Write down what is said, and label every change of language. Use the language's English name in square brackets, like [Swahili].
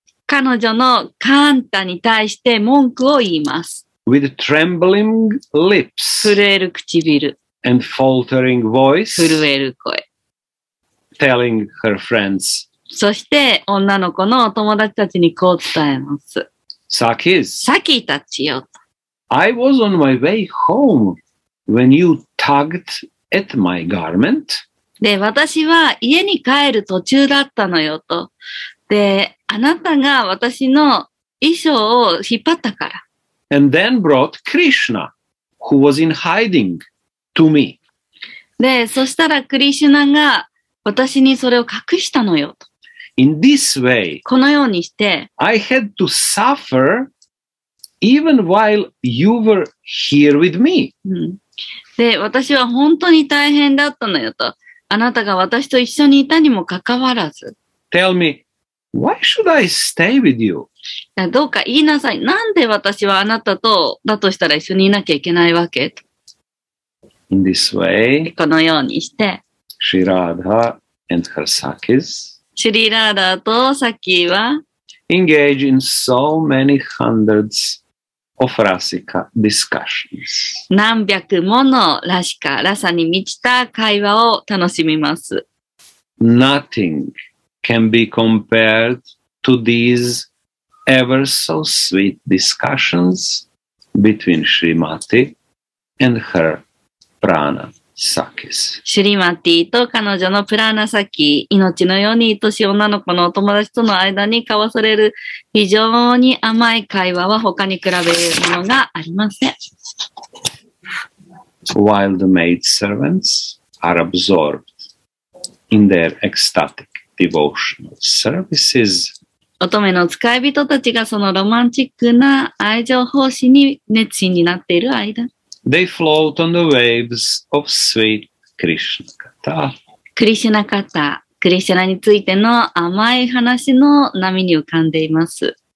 [Japanese] 彼女のカンタに対して文句を言います。 [English] With trembling lips, [Japanese] 震える唇 [English] and faltering voice, [Japanese] 震える声 [English] telling her friends, [Japanese] そして女の子のお友達たちにこう伝えます。 [English] Sakis, [Japanese] Saki たちよ。 [English] I was on my way home when you tugged at my garment. [Japanese] で、私は家に帰る途中だったのよと。で、あなたが私の衣装を引っ張ったから。 [English] And then brought Krishna, who was in hiding, to me. [Japanese] で、そしたらクリシュナが私にそれを隠したのよと。 [English] In this way, [Japanese] このようにして、 [English] I had to suffer even while you were here with me. [Japanese] で、私は本当に大変だったのよと。あなたが私と一緒にいたにもかかわらず。 [English] Tell me, Why should I stay with you? [Japanese] どうか言いなさい。なんで私はあなたとだとしたら一緒にいなきゃいけないわけ [English] ?In this way, [Japanese] このようにして、 [English] シラーダ and her sakis, [Japanese] シリラーダとサキは、 [English] engage in so many hundreds of rasika discussions. [Japanese] 何百ものラシカ、ラサに満ちた会話を楽しみます。 [English] Nothing can be compared to these ever so sweet discussions between Shrimati and her prana sakis. [Japanese] Shrimati と彼女のプラナサキ、命のように愛しい女の子のお友達との間に交わされる非常に甘い会話は他に比べるものがありません。 [English] While the maid servants are absorbed in their ecstatic devotional services, [Japanese] 乙女の使い人たちがそのロマンチックな愛情奉仕に熱心になっている間、 [English] they float on the waves of sweet Krishna katha. [Japanese] クリシュナカタ、クリシュナについての甘い話の波に浮かんでいます。